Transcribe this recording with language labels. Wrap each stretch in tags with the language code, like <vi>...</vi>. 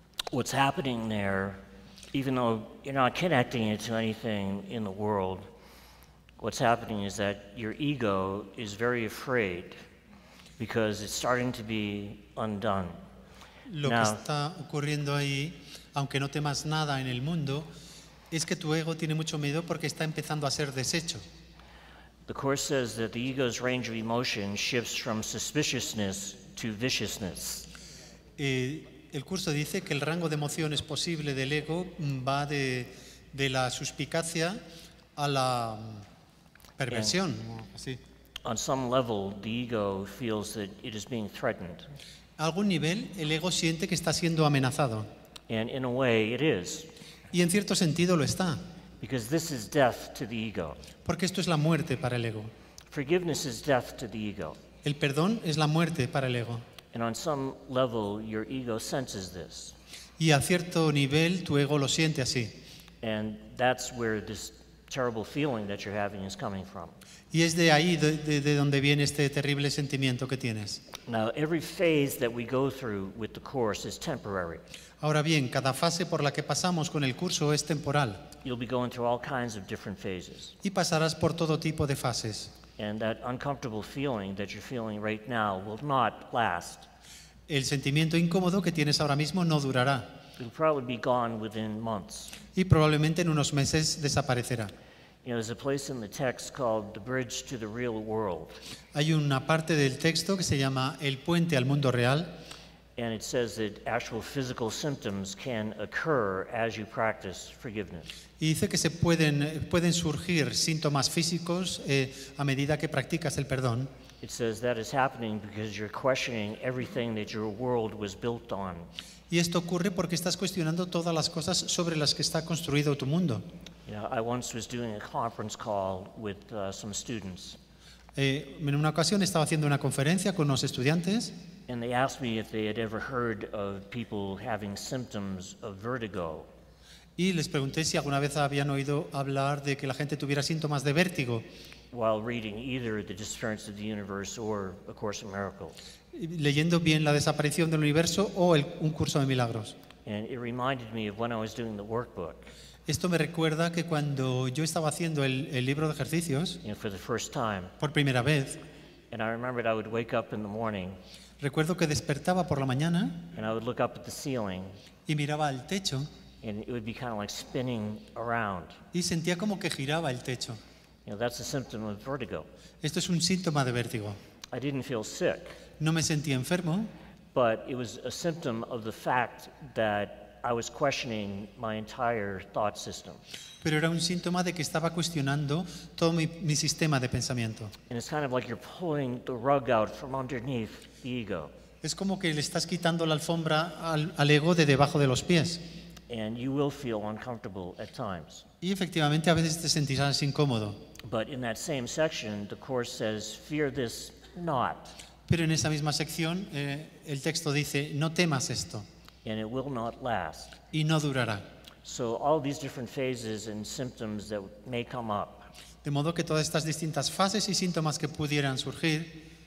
<en>What's happening there, even though you're not connecting it to anything in the world, what's happening is that your ego is very afraid because it's starting to be undone.</en> <es>Lo Now, que está ocurriendo ahí, aunque no temas nada en el mundo, es que tu ego tiene mucho miedo porque está empezando a ser deshecho.</es> <en>The Course says that the ego's range of emotion shifts from suspiciousness to viciousness.</en> <es>El curso dice que el rango de emociones posible del ego va de la suspicacia a la perversión. Sí.</es> <en>On some level, the ego feels that it is being threatened.</en> <es>A algún nivel, el ego siente que está siendo amenazado.</es> <en>And in a way, it is.</en> <es>Y en cierto sentido lo está.</es> <en>Because this is death to the ego.</en> <es>Porque esto es la muerte para el ego.</es> <en>Forgiveness is death to the ego.</en> <es>El perdón es la muerte para el ego.</es> <en>And on some level, your ego senses this.</en> <es>Y a cierto nivel, tu ego lo siente así.</es> <en>And that's where this terrible feeling that you're having is coming from.</en> <es>Y es de ahí de donde viene este terrible sentimiento que tienes.</es> <en>Now, every phase that we go through with the course is temporary.</en> <es>Ahora bien, cada fase por la que pasamos con el curso es temporal.</es> <en>You'll be going through all kinds of different phases.</en> <es>Y pasarás por todo tipo de fases.</es> <en>And that uncomfortable feeling that you're feeling right now will not last.</en> <es>El sentimiento incómodo que tienes ahora mismo no durará.</es> <en>It'll probably be gone within months.</en> <es>Y probablemente en unos meses desaparecerá.</es> <en>You know, there's a place in the text called the bridge to the real world.</en> <es>Hay una parte del texto que se llama el puente al mundo real.</es> <en>And it says that actual physical symptoms can occur as you practice forgiveness.</en> <es>Y dice que se pueden surgir síntomas físicos a medida que practicas el perdón.</es> <en>It says that is happening because you're questioning everything that your world was built on.</en> <es>Y esto ocurre porque estás cuestionando todas las cosas sobre las que está construido tu mundo.</es> <en>I once was doing a conference call with some students.</en> <es>En una ocasión estaba haciendo una conferencia con unos estudiantes.</es> <en>And they asked me if they had ever heard of people having symptoms of vertigo.</en> <es>Y les pregunté si alguna vez habían oído hablar de que la gente tuviera síntomas de vértigo.</es> <en>While reading either the disappearance of the universe or A Course in Miracles.</en> <es>Leyendo bien la desaparición del universo o un curso de milagros.</es> <en>And it reminded me of when I was doing the workbook.</en> <es>Esto me recuerda que cuando yo estaba haciendo el libro de ejercicios,</es> <en>you know, for the first time,</en> <es>por primera vez,</es> <en>and I remembered I would wake up in the morning,</en> <es>recuerdo que despertaba por la mañana,</es> <en>and I would look up at the ceiling,</en> <es>y miraba al techo,</es> <en>and it would be kind of like spinning around,</en> <es>y sentía como que giraba el techo.</es> <en>You know, that's a symptom of vertigo.</en> <es>Esto es un síntoma de vértigo.</es> <en>I didn't feel sick,</en> <es>no me sentía enfermo,</es> <en>but it was a symptom of the fact that I was questioning my entire thought system.</en> <es>Pero era un síntoma de que estaba cuestionando todo mi sistema de pensamiento.</es> <en>And it's kind of like you're pulling the rug out from underneath the ego.</en> <es>Es como que le estás quitando la alfombra al ego de debajo de los pies.</es> <en>And you will feel uncomfortable at times.</en> <es>Y efectivamente a veces te sentirás incómodo.</es> <en>But in that same section, the course says, "Fear this not."</en> <es>Pero en esa misma sección, el texto dice, "No temas esto."</es> <en>And it will not last.</en> <es>Y no durará.</es> <en>So all these different phases and symptoms that may come up.</en> <es>De modo que todas estas distintas fases y síntomas que pudieran surgir</es>